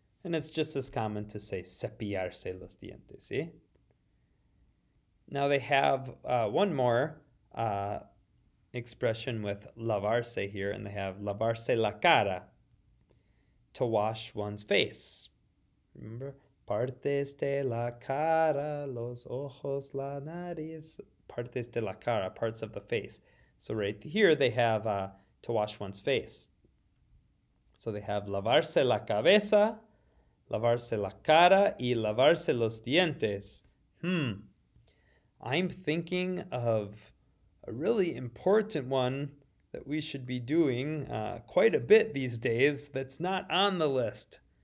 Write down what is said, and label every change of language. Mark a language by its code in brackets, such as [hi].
[en] And it's just as common to say [es] cepillarse los dientes, [en] see? Now they have one more expression with lavarse here, and they have [es] lavarse la cara, [en] to wash one's face. Remember? [es] Partes de la cara, los ojos, la nariz. Partes de la cara, [en] parts of the face. So right here they have to wash one's face. So they have [es] lavarse la cabeza, lavarse la cara, y lavarse los dientes. [en] I'm thinking of a really important one that we should be doing quite a bit these days that's not on the list.